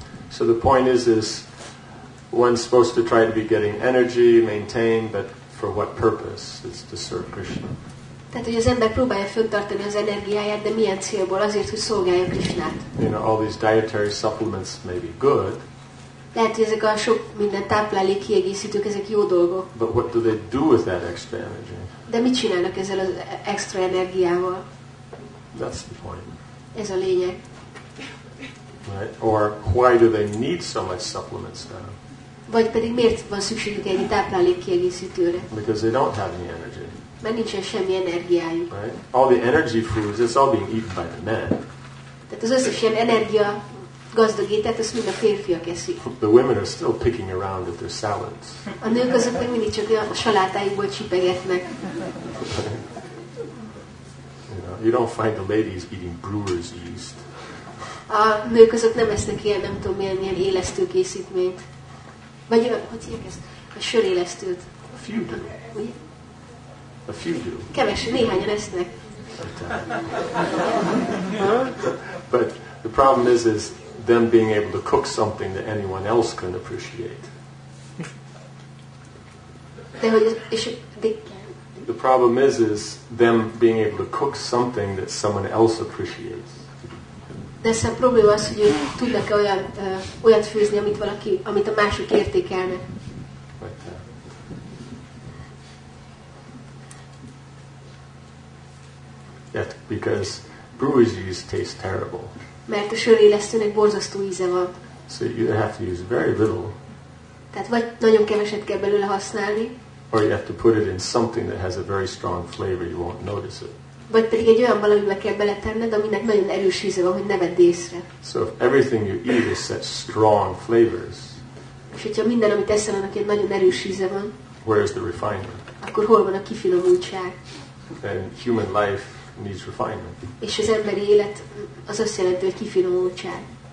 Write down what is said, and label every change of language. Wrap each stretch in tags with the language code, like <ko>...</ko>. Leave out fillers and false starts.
<en>So the point is one's supposed to try to be getting energy, maintained, but for what purpose? It's to serve Krishna.</en> <hu>Tehát, hogy az ember próbálja fönntartani az energiáját, de milyen célból? Azért, hogy szolgálja Krishnát.</hu> <en>You know, all these dietary supplements may be good.</en> <hu>Lehet, hogy ezek a sok minden táplálék kiegészítők, ezek jó dolgok.</hu> <en>But what do they do with that extra energy?</en> <hu>De mit csinálnak ezzel az extra energiával?</hu> <en>That's the point.</en> <hu>Ez a lényeg.</hu> <en>Right? Or why do they need so much supplements now?</en> <hu>Vagy pedig miért van szükségük egy táplálék kiegészítőre?</hu> <en>Because they don't have any energy.</en> <hu>Mert nincsen semmi energiájuk.</hu> <en>Right? All the energy foods, it's all being eaten by the men.</en> <hu>Tehát az összes ilyen energia gazdag étet, azt mind a férfiak eszik.</hu> <en>The women are still picking around at their salads.</en> <hu>A nők azok még mindig csak a salátáikból csipegetnek.</hu> <en>You know, you don't find the ladies eating brewer's yeast.</en> <hu>A nők azok nem esznek ilyen, nem tudom milyen élesztő készítményt. Vagy hogy hívják ezt? A sörélesztőt.</hu> <en>A few do. A few do.</en> <hu>Kevesen, néhányan esznek.</hu> <en>But the problem is them being able to cook something that anyone else can appreciate. The problem is them being able to cook something that someone else appreciates.</en> <hu>De ez a probléma az, hogy tudnak-e olyat főzni, amit valaki, amit a mások értékelnek.</hu> <en>Yet because brewer's yeast tastes terrible.</en> <hu>Mert a sörélesztőnek borzasztó íze van.</hu> <en>So you have to use very little.</en> <hu>Tehát vagy nagyon keveset kell belőle használni.</hu> <en>Or you have to put it in something that has a very strong flavor, you won't notice it.</en> <hu>Vagy pedig egy olyan valamibe kell beletenned, aminek nagyon erős íze van, hogy ne vedd észre.</hu> <en>So if everything you eat is such strong flavors.</en> <hu>És hogyha minden, amit eszel, annak egy nagyon erős íze van.</hu> <en>Where is the refinement?</en> <hu>Akkor hol van a kifinomultság?</hu> <en>And human life needs refinement.</en> <hu>És az emberi élet az azt jelenti, hogy kifinomultság.</hu>